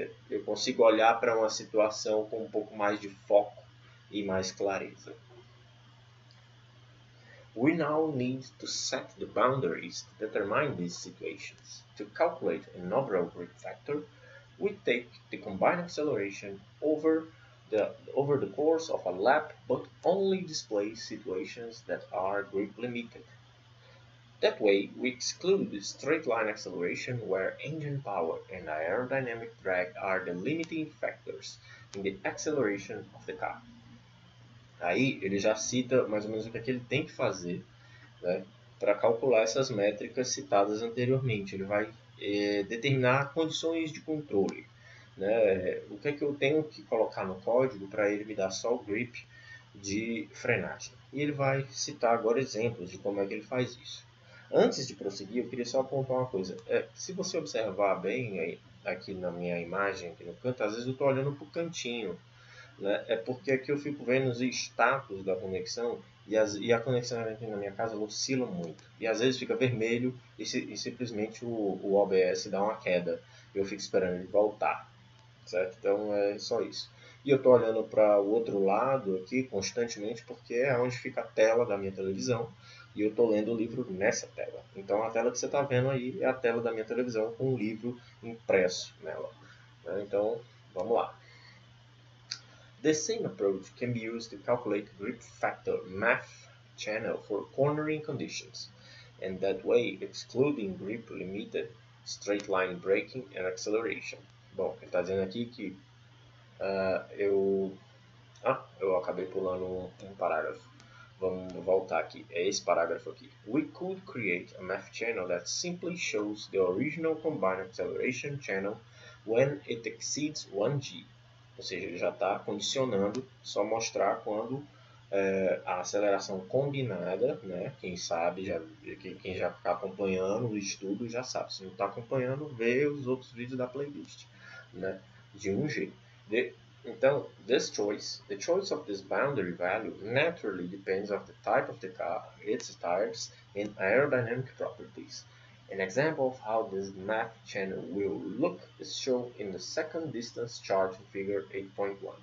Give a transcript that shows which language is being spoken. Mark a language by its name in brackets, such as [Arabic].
[Portuguese] Eu consigo olhar para uma situação com um pouco mais de foco e mais clareza. [English] We now need to set the boundaries to determine these situations. To calculate an overall grip factor, we take the combined acceleration over the course of a lap, but only display situations that are grip limited. That way, we exclude the straight line acceleration where engine power and aerodynamic drag are the limiting factors in the acceleration of the car. [Portuguese] Aí ele já cita mais ou menos o que, é que ele tem que fazer, né, para calcular essas métricas citadas anteriormente. Ele vai determinar condições de controle, né? O que é que eu tenho que colocar no código para ele me dar só o grip de frenagem? E ele vai citar agora exemplos de como é que ele faz isso. Antes de prosseguir, eu queria só apontar uma coisa. Se você observar bem aqui na minha imagem, aqui no canto, às vezes eu estou olhando para o cantinho, né? É porque aqui eu fico vendo os status da conexão e a conexão aqui na minha casa oscila muito. E às vezes fica vermelho e simplesmente o OBS dá uma queda. Eu fico esperando ele voltar, certo? Então é só isso. E eu estou olhando para o outro lado aqui constantemente porque é onde fica a tela da minha televisão. E eu estou lendo o livro nessa tela. Então a tela que você está vendo aí é a tela da minha televisão com o livro impresso nela. Então vamos lá. [English] The same approach can be used to calculate grip factor math channel for cornering conditions, and that way excluding grip limited straight line braking and acceleration. [Portuguese] Bom, ele está dizendo aqui que eu acabei pulando um parágrafo. Vamos voltar aqui. É esse parágrafo aqui. [English] We could create a math channel that simply shows the original combined acceleration channel when it exceeds 1G. [Portuguese] Ou seja, ele já está condicionando só mostrar quando a aceleração combinada, né? Quem sabe, quem já está acompanhando o estudo já sabe. Se não está acompanhando, vê os outros vídeos da playlist, né? De 1G. [English] Então, the choice of this boundary value naturally depends on the type of the car, its tires, and aerodynamic properties. An example of how this math channel will look is shown in the second distance chart in Figure 8.1.